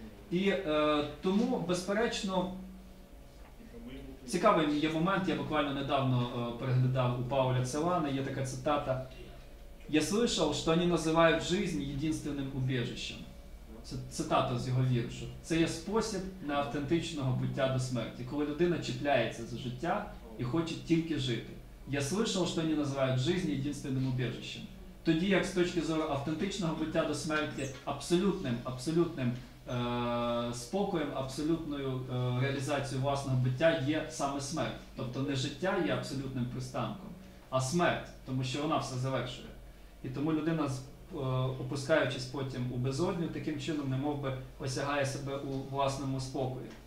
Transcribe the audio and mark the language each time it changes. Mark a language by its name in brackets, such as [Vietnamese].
[Ukrainian] І тому, безперечно, цікавий є момент, я буквально недавно переглядав у Пауля Целана, є така цитата: [Russian] «Я слышал, что они называют жизнь единственным убежищем». [Ukrainian] Це цитата з його віршу. Це є спосіб неавтентичного буття до смерті, коли людина чіпляється за життя і хоче тільки жити. [Russian] «Я слышал, что они называют жизнь единственным убежищем». [Ukrainian] Тоді, як з точки зору автентичного буття до смерті, абсолютним спокоєм, абсолютною реалізацією власного буття є саме смерть. Тобто не життя є абсолютним пристанком, а смерть, тому що вона все завершує. І тому людина, опускаючись потім у безодню, таким чином немов би осягає себе у власному спокої.